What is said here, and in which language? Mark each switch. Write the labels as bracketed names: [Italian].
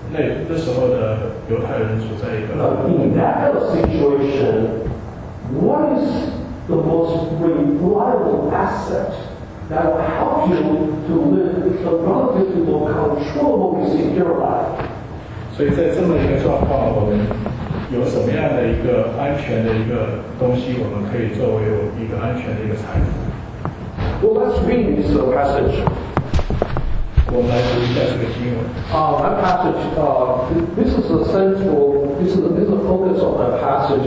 [Chinese] 那时候常常会有一些纷乱，还有一些战争，所以那时候的犹太人处在一个。 [English] In that kind of situation, what is the most reliable asset that will help you to live a relatively controllable secure life? [Chinese] 所以在这么一个状况，我们 有什么样的一个安全的一个东西，我们可以作为一个安全的一个财富？ [English] Well, let's read this passage. [Chinese] 我们来读一下这个经文。 [English] That passage, this is a central, this is a focus of that passage.